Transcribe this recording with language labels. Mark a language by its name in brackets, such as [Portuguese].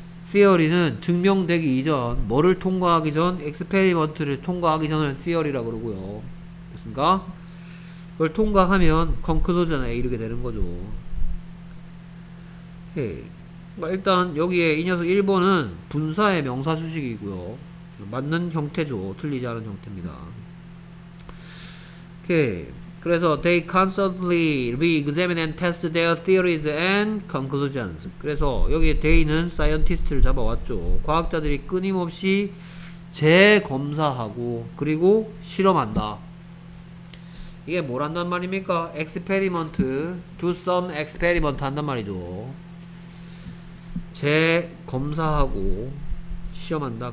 [Korean] theory는 증명되기 이전, 뭐를 통과하기 전, experiment를 통과하기 전을 theory라고 그러고요. 됐습니까? 그걸 통과하면 conclusion에 이르게 되는 거죠. 오케이. 그러니까 일단 여기에 이 녀석 1번은 분사의 명사수식이고요. 맞는 형태죠. 틀리지 않은 형태입니다. 오케이. 그래서 [English] they constantly re-examine and test their theories and conclusions. [Korean] 그래서 여기 they는 scientist를 잡아왔죠. 과학자들이 끊임없이 재검사하고 그리고 실험한다. 이게 뭘 한단 말입니까? [English] experiment, do some experiment [Korean] 한단 말이죠. 재검사하고 시험한다.